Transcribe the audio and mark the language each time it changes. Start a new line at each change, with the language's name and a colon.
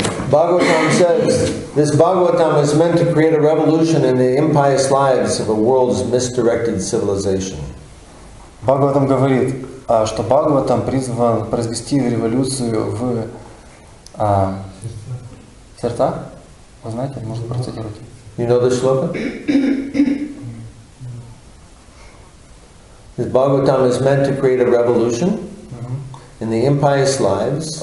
English: Bhagavatam says this Bhagavatam is meant to create a revolution in the impious lives of a world's misdirected civilization.
Russian: Бхагаватам говорит, что Бхагаватам призван произвести революцию в сердца. Вы знаете, можно процитировать.
English: You know the shloka? This Bhagavatam is meant to create a revolution in the impious lives.